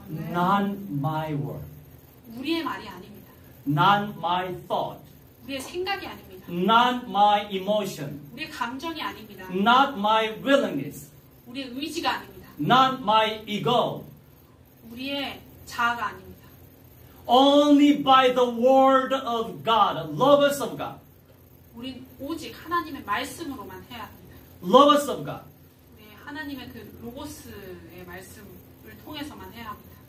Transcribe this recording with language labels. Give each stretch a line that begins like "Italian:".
English: Not my word.
Korean: 우리의 말이 아닙니다.
English: Not my thought.
Korean: 우리의 생각이 아닙니다.
English: Not my emotion.
Korean: 우리의 감정이 아닙니다.
English: Not my willingness.
Korean: 우리의 의지가 아닙니다.
English: Not my ego.
Korean: 우리의 자아가 아닙니다.
English: Only by the word of God, logos of God.
Korean: 우린 오직 하나님의 말씀으로만 해야 합니다.
English: Logos of God.
Korean: 우리 하나님의 그 로고스의 말씀을 통해서만 해야 합니다.